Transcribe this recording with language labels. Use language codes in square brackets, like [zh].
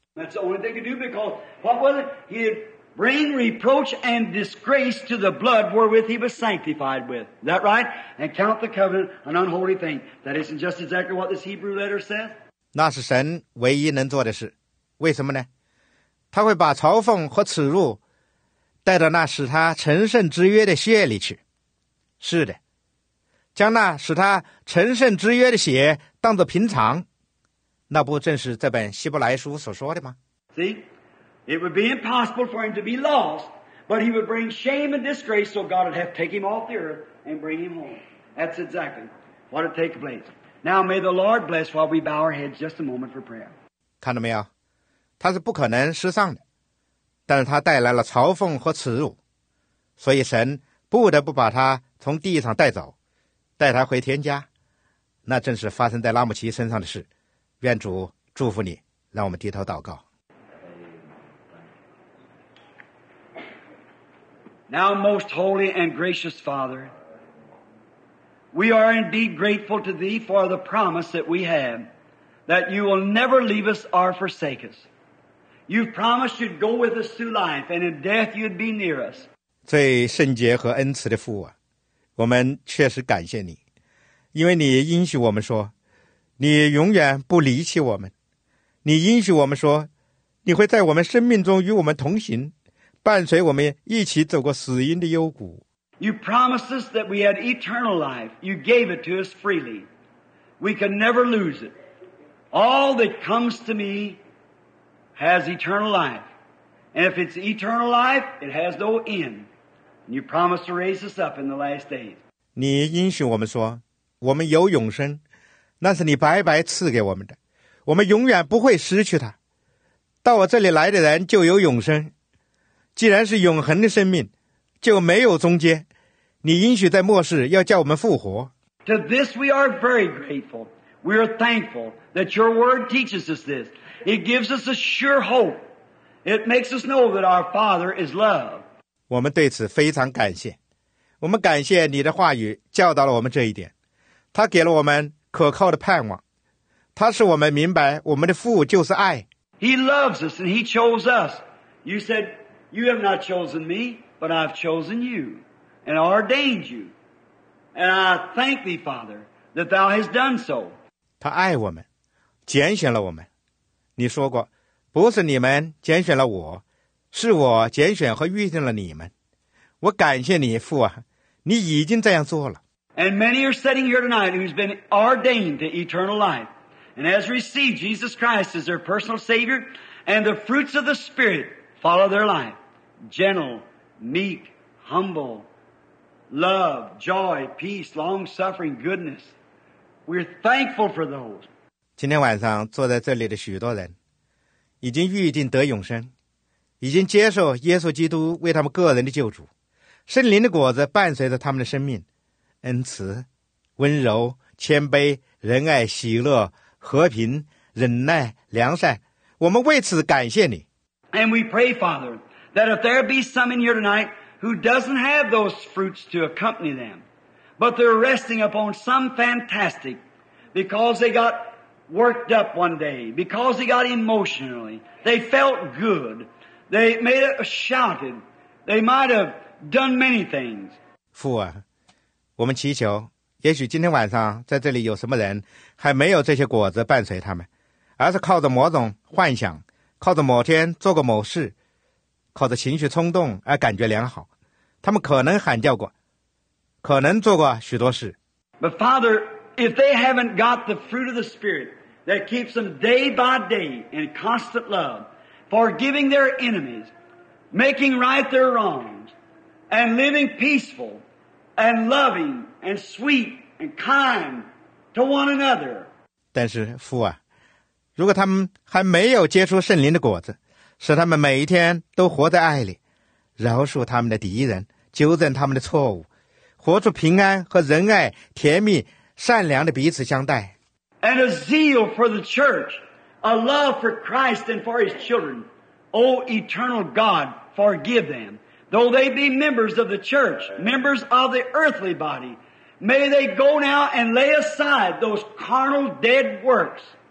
[en] That's the only thing to do, because what was it? He'd bring reproach and disgrace to the blood wherewith he was sanctified with. Is that right? And count the covenant an unholy thing. That isn't just exactly what this Hebrew letter says. [zh] 那是神唯一能做的事，为什么呢？他会把嘲讽和耻辱带到那使他成圣之约的血里去。是的，将那使他成圣之约的血当作平常，那不正是这本希伯来书所说的吗？ [en] See, it would be impossible for him to be lost, but he would bring shame and disgrace, so God would have to take him off the earth and bring him home. That's exactly what would take place. Now may the Lord bless while we bow our heads just a moment for prayer. [zh] 看到没有，他是不可能失丧的，但是他带来了嘲讽和耻辱，所以神不得不把他从地上带走，带他回天家。那正是发生在拉姆奇身上的事。愿主祝福你，让我们低头祷告。 [en] Now, most holy and gracious Father, we are indeed grateful to thee for the promise that we have, that you will never leave us or forsake us. You've promised you'd go with us through life, and in death you'd be near us. [zh] 最圣洁和恩慈的父啊，我们确实感谢你，因为你应许我们说，你永远不离弃我们，你应许我们说，你会在我们生命中与我们同行，伴随我们一起走过死荫的幽谷。 [en] You promised us that we had eternal life. You gave it to us freely. We can never lose it. All that comes to me has eternal life. And if it's eternal life, it has no end. And you promised to raise us up in the last days. [zh] 你应许我们说，我们有永生，那是你白白赐给我们的，我们永远不会失去它。到我这里来的人就有永生，既然是永恒的生命，就没有终结。你应许在末世要叫我们复活。 [en] To this we are very grateful. We are thankful that your word teaches us this. It gives us a sure hope. It makes us know that our Father is love. [zh] 我们对此非常感谢，我们感谢你的话语教导了我们这一点，他给了我们可靠的盼望，他使我们明白我们的父就是爱。 [en] He loves us and He chose us. You said, "You have not chosen me, but I've chosen you and ordained you." And I thank thee, Father, that thou hast done so. [zh] 他爱我们，拣选了我们。你说过，不是你们拣选了我，是我拣选和预定了你们。我感谢你，父啊，你已经这样做了。 [en] And many are sitting here tonight who's been ordained to eternal life and has received Jesus Christ as their personal Savior, and the fruits of the Spirit follow their life. Gentle, meek, humble, love, joy, peace, long-suffering, goodness. We're thankful for those. [zh] 今天晚上坐在这里的许多人已经预定得永生，已经接受耶稣基督为他们个人的救主，圣灵的果子伴随着他们的生命，恩慈、温柔、谦卑、仁爱、喜乐、和平、忍耐、良善，我们为此感谢你。 [en] And we pray, Father, that if there be some in here tonight who doesn't have those fruits to accompany them, but they're resting upon some fantastic because they got worked up one day, because they got emotionally, they felt good, they made a shouted, they might have done many things. [zh] 父啊，我们祈求，也许今天晚上在这里有什么人还没有这些果子伴随他们，而是靠着某种幻想，靠着某天做过某事，靠着情绪冲动而感觉良好。他们可能喊叫过，可能做过许多事。 [en] But Father, if they haven't got the fruit of the Spirit that keeps them day by day in constant love, forgiving their enemies, making right their wrongs, and living peaceful,and loving and sweet and kind to one another. [zh] 但是父啊，如果他们还没有结出圣灵的果子，使他们每一天都活在爱里，饶恕他们的敌人，纠正他们的错误，活出平安和仁爱、甜蜜、善良的彼此相待。 [en] And a zeal for the church, a love for Christ and for His children. O eternal God, forgive them. Though they be members of the church, members of the earthly body, may they go now and lay aside those carnal dead works.